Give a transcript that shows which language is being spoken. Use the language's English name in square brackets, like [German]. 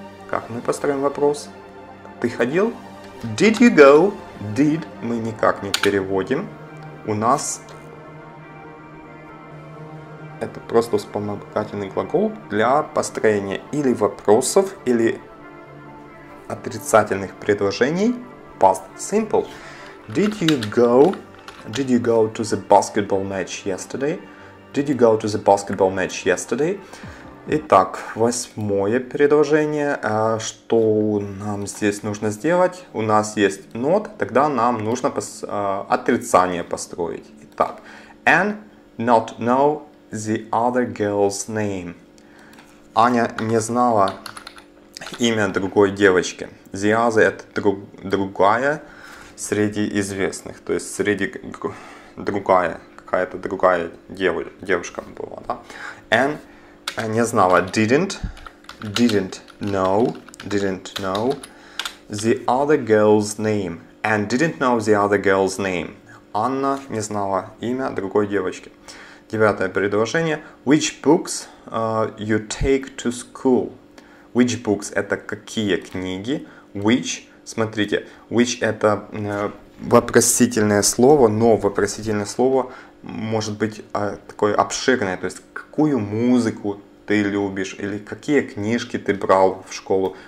[Russian] Как мы построим вопрос? Ты ходил? [English] Did you go? [Russian] Did мы никак не переводим. У нас это просто вспомогательный глагол для построения или вопросов, или отрицательных предложений. [English] Past simple. Did you go to the basketball match yesterday? Did you go to the basketball match yesterday? [Russian] Итак, восьмое предложение. Что нам здесь нужно сделать? У нас есть not, тогда нам нужно отрицание построить. [English] Итак, and not know the other girl's name. [Russian] Аня не знала имя другой девочки. The other – это другая среди известных. То есть, среди другая, какая-то другая девушка была, да? [English] And [Russian] не знала, [English] didn't know the other girl's name. And didn't know the other girl's name. [Russian] Анна не знала имя другой девочки. Девятое предложение. [English] Which books you take to school? [Russian] Which books – это какие книги? Which, смотрите, which – это вопросительное слово, но вопросительное слово может быть такое обширное. То есть, какую музыку ты любишь или какие книжки ты брал в школу.